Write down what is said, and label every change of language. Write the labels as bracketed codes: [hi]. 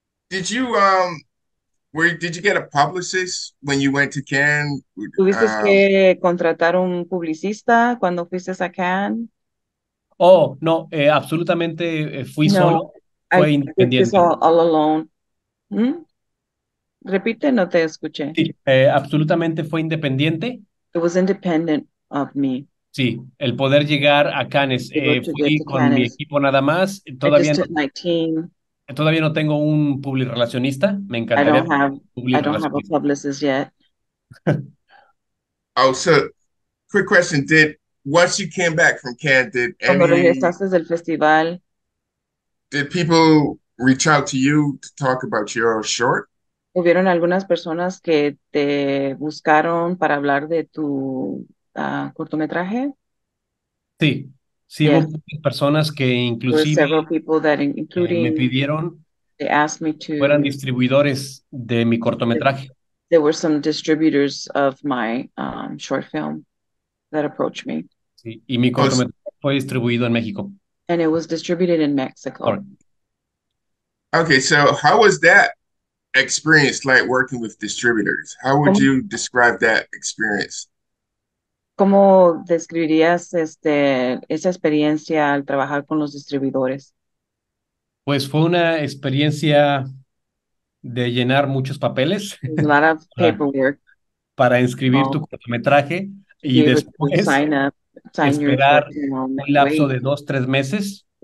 [en] Did you get a publicist when you went to Cannes? [es] ¿Tuviste que contratar un publicista cuando fuiste a Cannes? Oh, no, absolutamente fui no, solo. Fue independiente. [en] All alone. [es] Repite, no te escuché. Sí, absolutamente fue independiente. [en] It was independent of me. [es] Sí, el poder llegar a Cannes. Fui con mi equipo nada más. Todavía [en] took my team. [es] Todavía no tengo un public relacionista. Me encantaría. [en] I don't have a publicist yet. Oh, so quick question. Once you came back from Cannes, did people reach out to you to talk about your short? [es] ¿Hubieron algunas personas que te buscaron para hablar de tu cortometraje? Sí. Sí, yes. Hubo personas que inclusive me pidieron fueran distribuidores de mi cortometraje. [en] There were some distributors of my short film that approached me. [es] Sí, y mi cortometraje fue distribuido en México. [en] And it was distributed in Mexico. Okay, so how was that experience like working with distributors? How would you describe that experience? [es] ¿Cómo describirías esa experiencia al trabajar con los distribuidores? Pues fue una experiencia de llenar muchos papeles. [en] A lot of paperwork. [es] Para inscribir tu cortometraje y después esperar un lapso de 2-3 meses.